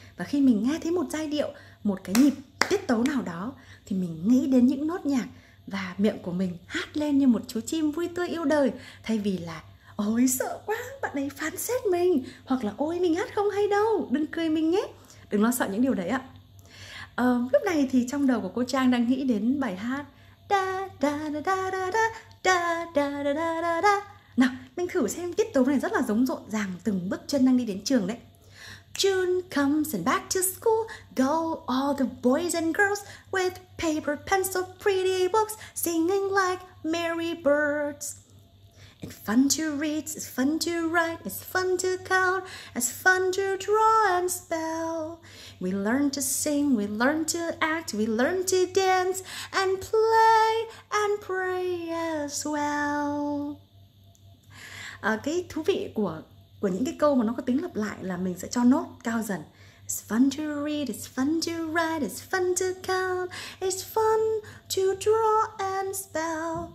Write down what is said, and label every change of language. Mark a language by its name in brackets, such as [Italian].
[Vietnamese] Và khi mình nghe thấy một giai điệu, một cái nhịp tiết tấu nào đó, thì mình nghĩ đến những nốt nhạc và miệng của mình hát lên như một chú chim vui tươi yêu đời, thay vì là ôi sợ quá bạn ấy phán xét mình, hoặc là ôi mình hát không hay đâu, đừng cười mình nhé. Đừng lo sợ những điều đấy ạ. Lúc này thì trong đầu của cô Trang đang nghĩ đến bài hát da da da da da da da da da da. Nào, mình thử xem tiết tấu này rất là giống rộn ràng từng bước chân đang đi đến trường đấy. [English] June comes and back to school, go all the boys and girls with paper, pencil, pretty books, singing like merry birds. It's fun to read, it's fun to write, it's fun to count, it's fun to draw and spell. We learn to sing, we learn to act, we learn to dance and play and pray as well. [Vietnamese] À, cái thú vị của những cái câu mà nó có tính lặp lại là mình sẽ cho nốt cao dần. [English] It's fun to read, it's fun to write, it's fun to count, it's fun to draw and spell.